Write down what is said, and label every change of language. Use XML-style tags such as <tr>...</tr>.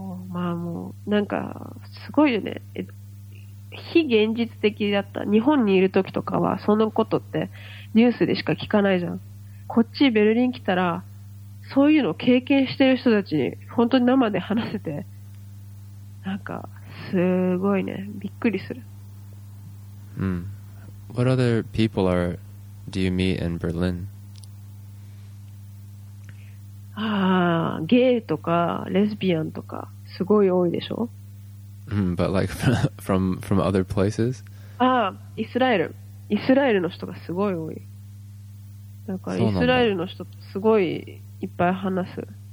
<ja>まあもうなんかすごいよね、非現実的だった。日本にいる時とかはそのことってニュースでしか聞かないじゃん。こっちベルリン来たらそういうの経験してる人たちに本当に生で話せて、なんかすごいね、びっくりする。うん。</ja> <en>What other people are do you meet in Berlin?</en> <ja>ああ、ゲイとかレズビアンとかすごい多いでしょ。</ja> <en>But like from other places?</en> <ja>ああ、イスラエル。イスラエルの人がすごい多い。だからイスラエルの人とすごいいっぱい話す。</ja>